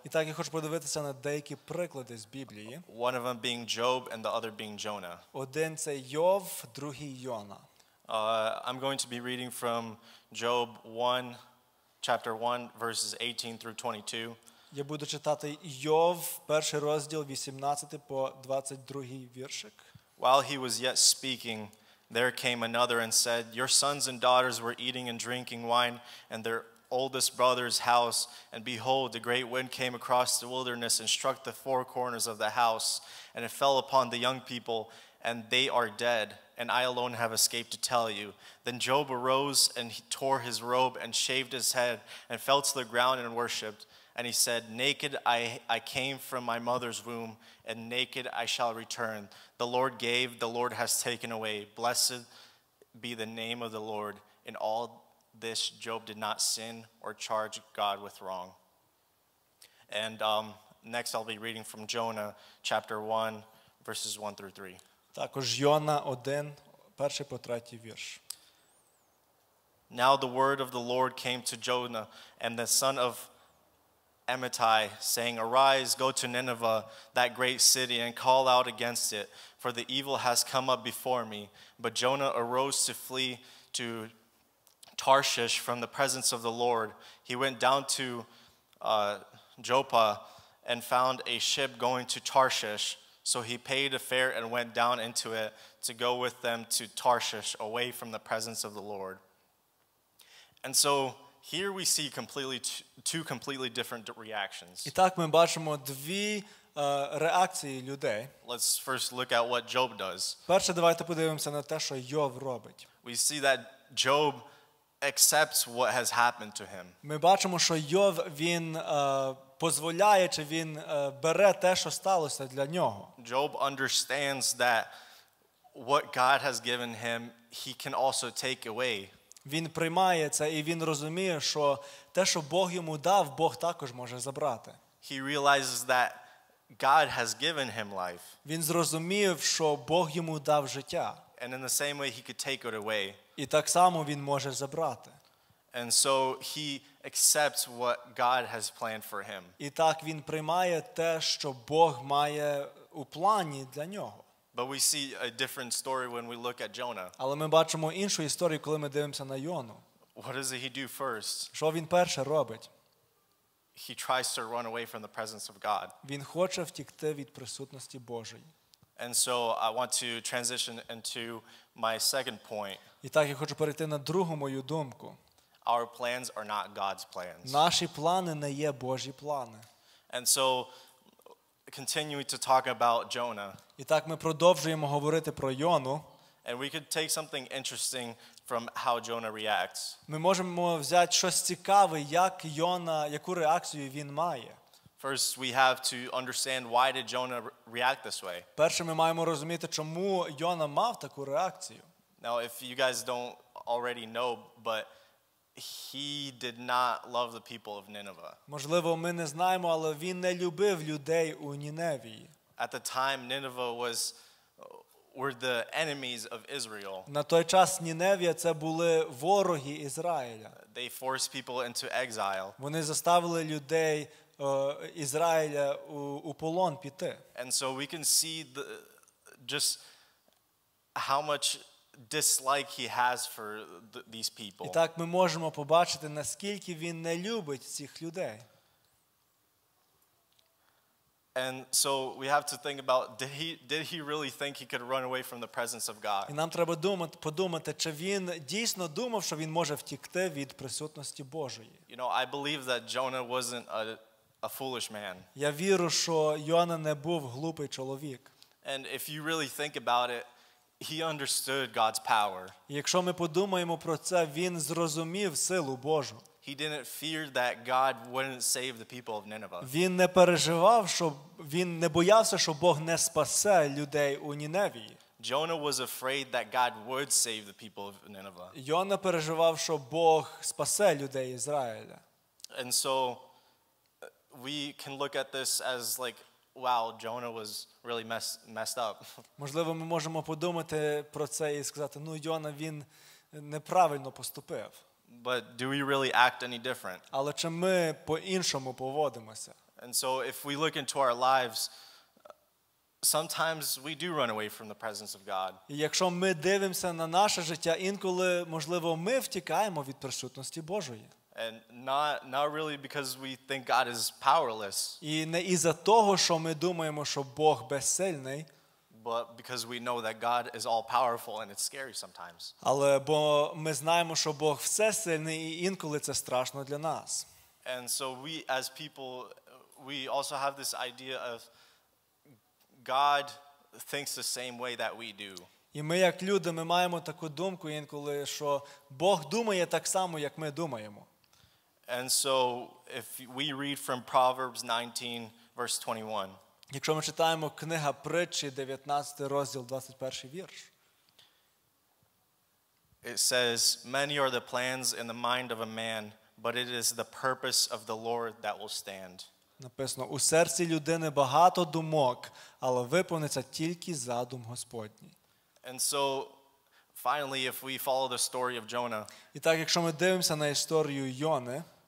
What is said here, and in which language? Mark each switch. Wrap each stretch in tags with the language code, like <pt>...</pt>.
<uk>І так я хочу подивитися на деякі приклади з Біблії.</uk> <en>One of them being Job and the other being Jonah.</en> <uk>Один — це Йов, другий — Йона.</uk> <en>I'm going to be reading from Job 1, chapter 1, verses 18 through 22.</en> <uk>Я буду читати Йов, перший розділ, 18 по 22 віршик.</uk> <en>While he was yet speaking, there came another and said, your sons and daughters were eating and drinking wine in their oldest brother's house, and behold, a great wind came across the wilderness and struck the four corners of the house, and it fell upon the young people, and they are dead, and I alone have escaped to tell you. Then Job arose and he tore his robe and shaved his head and fell to the ground and worshipped. And he said, "Naked I came from my mother's womb, and naked I shall return. The Lord gave, the Lord has taken away. Blessed be the name of the Lord." In all this, Job did not sin or charge God with wrong. And next I'll be reading from Jonah chapter 1, verses 1 through 3.</en> <uk>Також Йона 1, перший по третій вірш.</uk> <en>Now the word of the Lord came to Jonah and the son of Amittai, saying, "Arise, go to Nineveh, that great city, and call out against it, for the evil has come up before me." But Jonah arose to flee to Tarshish from the presence of the Lord. He went down to Joppa and found a ship going to Tarshish. So he paid a fare and went down into it to go with them to Tarshish, away from the presence of the Lord. And so here we see completely two completely different reactions.</en> <uk>І так ми бачимо дві реакції людей.</uk> <en>Let's first look at what Job does.</en> <uk>Перше давайте подивимося на те, що Йов робить.</uk> <en>We see that Job accepts what has happened to him.</en> <uk>Ми бачимо, що Йов він дозволяє, чи він бере те, що сталося для нього.</uk> <en>Job understands that what God has given him, he can also take away.</en> <uk>Він приймає це і він розуміє, що те, що Бог йому дав, Бог також може забрати.</uk> <en>He realizes that God has given him life.</en> <uk>Він зрозумів, що Бог йому дав життя.</uk> <en>And in the same way he could take it away.</en> <uk>І так само він може забрати.</uk> <en>And so he accepts what God has planned for him.</en> <uk>І так він приймає те, що Бог має у плані для нього.</uk> <en>But we see a different story when we look at Jonah.</en> <uk>Але ми бачимо іншу історію, коли ми дивимося на Йону.</uk> <en>What does he do first?</en> <uk>Що він перше робить?</uk> <en>He tries to run away from the presence of God.</en> <uk>Він хоче втекти від присутності Божої.</uk> <en>And so I want to transition into my second point.</en> <uk>І так я хочу перейти на другу мою думку.</uk> <en>Our plans are not God's plans.</en> <uk>Наші плани не є Божі плани.</uk> <en>And so continuing to talk about Jonah.</en> <uk>І так ми продовжуємо говорити про Йону.</uk> <en>And we could take something interesting from how Jonah reacts.</en> <uk>Ми можемо взяти щось цікаве, як Йона, яку реакцію він має.</uk> <en>First we have to understand why did Jonah react this way.</en> <uk>Перше ми маємо розуміти, чому Йона мав таку реакцію.</uk> <en>Now if you guys don't already know, but he did not love the people of Nineveh.</en> <uk>Можливо, ми не знаємо, але він не любив людей у Ніневії.</uk> <en>At the time Nineveh were the enemies of Israel.</en> <uk>На той час Ніневія це були вороги Ізраїля.</uk> <en>They forced people into exile.</en> <uk>Вони заставили людей Ізраїля у полон піти.</uk> <en>And so we can see just how much dislike he has for these people.</en> <uk>І так ми можемо побачити, наскільки він не любить цих людей.</uk> <en>And so we have to think about did he really think he could run away from the presence of God?</en> <uk>І нам треба подумати, чи він дійсно думав, що він може втекти від присутності Божої.</uk> <en>You know, I believe that Jonah wasn't a foolish man.</en> <uk>Я вірю, що Йона не був глупий чоловік.</uk> <en>And if you really think about it, he understood God's power.</en> <uk>Якщо ми подумаємо про це, він зрозумів силу Божу.</uk> <en>He didn't fear that God wouldn't save the people of Nineveh.</en> <uk>Він не переживав, що він не боявся, що Бог не спасе людей у Ніневії.</uk> <en>Jonah was afraid that God would save the people of Nineveh.</en> <uk>Йона переживав, що Бог спасе людей Ізраїля.</uk> <en>And so we can look at this as like, wow, Jonah was really messed up.</en> <uk>Можливо, ми можемо подумати про це і сказати: "Ну, Йона він неправильно поступив."</uk> <en>But do we really act any different?</en> <uk>Але чи ми по-іншому поводимося?</uk> <en>And so if we look into our lives, sometimes we do run away from the presence of God.</en> <uk>І якщо ми дивимося на наше життя, інколи, можливо, ми втікаємо від присутності Божої.</uk> <en>And not really because we think God is powerless.</en> <uk>І не із-за того, що ми думаємо, що Бог безсильний.</uk> <en>But because we know that God is all powerful and it's scary sometimes.</en> <uk>Але бо ми знаємо, що Бог всесильний і інколи це страшно для нас.</uk> <en>And so we as people we also have this idea of God thinks the same way that we do.</en> <uk>І ми як люди ми маємо таку думку інколи, що Бог думає так само, як ми думаємо.</uk> <en>And so if we read from Proverbs 19 verse 21.</en> <uk>Якщо ми читаємо книга Притчі 19 розділ 21 вірш.</uk> <en>It says, "Many are the plans in the mind of a man, but it is the purpose of the Lord that will stand."</en> <uk>Написано: "У серці людини багато думок, але виповниться тільки задум Господній."</uk> <en>And so finally, if we follow the story of Jonah.</en> <uk>І так, якщо ми дивимося на історію Йони,</uk>